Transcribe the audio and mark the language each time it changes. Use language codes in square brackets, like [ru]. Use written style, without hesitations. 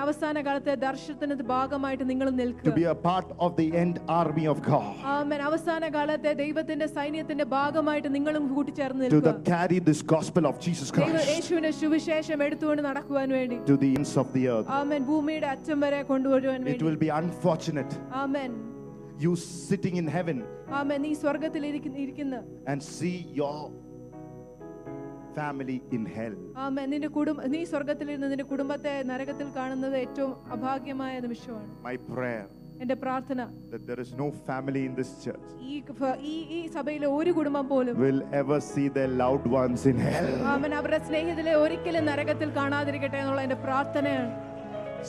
[ml] അവസാന കാലത്തെ ദർശനത്തിന്റെ ഭാഗമായിട്ട് നിങ്ങൾ നിൽക്കുക. [en] To be a part of the end army of God. Amen. [ml] അവസാന കാലത്തെ ദൈവത്തിന്റെ സൈന്യത്തിന്റെ ഭാഗമായിട്ട് നിങ്ങളും കൂടിച്ചേർന്ന് നിൽക്കുക. [en] To the carry this gospel of Jesus Christ. [ml] നിങ്ങൾ യേശുവിന്റെ സുവിശേഷം എടുത്തുകൊണ്ട് നടക്കുവാൻ വേണ്ടി. [en] To the ends of the earth. [ml] Amen. ഭൂമിയുടെ അറ്റം വരെ കൊണ്ടുവരുവാൻ വേണ്ടി. [en] It will be unfortunate. Amen. You sitting in heaven. [ml] Amen. നീ സ്വർഗ്ഗത്തിൽ ഇരിക്കുന്നു. [en] And see your family in hell. Amen. [ml] നിന്റെ കുടുംബം നീ സ്വർഗ്ഗത്തിൽ ഇരുന്ന് നിന്റെ കുടുംബത്തെ നരകത്തിൽ കാണുന്നത് ഏറ്റവും അഭാഗ്യമായ നിമിഷമാണ്. [en] My prayer. [ml] എന്റെ പ്രാർത്ഥന. [en] That there is no family in this church. [ml] ഈ സഭയിലെ ഒരു കുടുംബം പോലും [en] will ever see their loved ones in hell. Amen. [ml] അവരുടെ സ്നേഹിതരെ ഒരിക്കലും നരകത്തിൽ കാണാതിരിക്കട്ടെ എന്നുള്ള എന്റെ പ്രാർത്ഥനയാണ്.